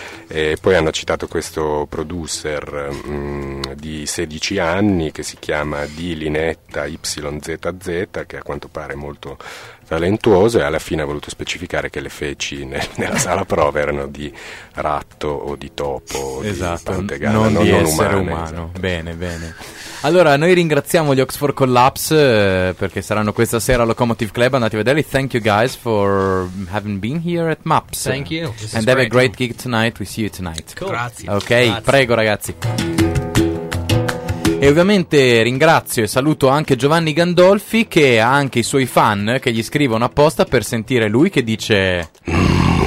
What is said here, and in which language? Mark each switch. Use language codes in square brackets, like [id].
[it] E poi hanno citato questo producer di 16 anni che si chiama Di Linetta YZZ, che a quanto pare molto talentuoso, e alla fine ha voluto specificare che le feci nella sala prova erano di ratto o di topo, esatto, di pantegana, non di non essere umane, umano. Esatto. Bene, bene. Allora, noi ringraziamo gli Oxford Collapse perché saranno questa sera al Locomotive Club. Andate a vederli. [en] Thank you guys for having been here at MAPS. Thank you. This and have great. A great gig tonight. We see you tonight. Cool. [it] Grazie. Ok, grazie. Prego, ragazzi. E ovviamente ringrazio e saluto anche Giovanni Gandolfi, che ha anche i suoi fan che gli scrivono apposta per sentire lui che dice...